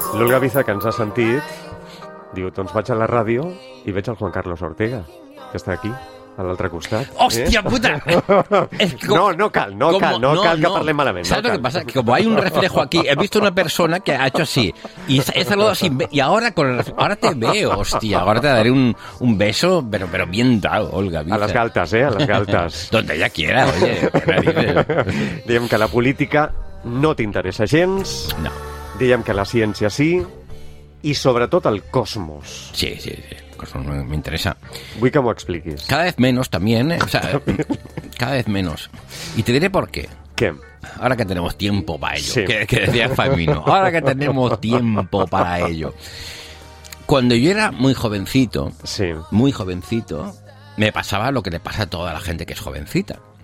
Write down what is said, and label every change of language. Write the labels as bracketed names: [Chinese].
[Catalan] Gavisa, que ens ha sentit, diu, doncs vaig a la ràdio i veig el Juan Carlos Ortega, que està aquí, a l'altre costat. Hòstia puta! No cal que parlem malament. Saps no el que passa? Que com hi ha [Spanish] un reflejo aquí, [Catalan] he vist una persona que [Spanish] ha hecho así, i he saludado así, y ahora, con el reflejo, ahora te veo, hòstia, ahora te daré un beso, pero bien dado, Olga Viza. [Catalan] A les galtes, a les galtes. [Spanish] Donde ella quiera, oye. [Catalan] Diem que la política no t'interessa gens. No. Dèiem que la ciència sí, i sobretot el cosmos. Sí, sí, sí, el cosmos m'interessa. Vull que m'ho expliquis. [Spanish] Cada vez menos, también, o sea, cada vez menos. I te diré por qué. ¿Qué? Ahora que tenemos tiempo para ello, sí. que decía Fabino. Ahora que tenemos tiempo para ello. Cuando yo era muy jovencito, sí. Muy jovencito, me pasaba lo que le pasa a toda la gente que es jovencita.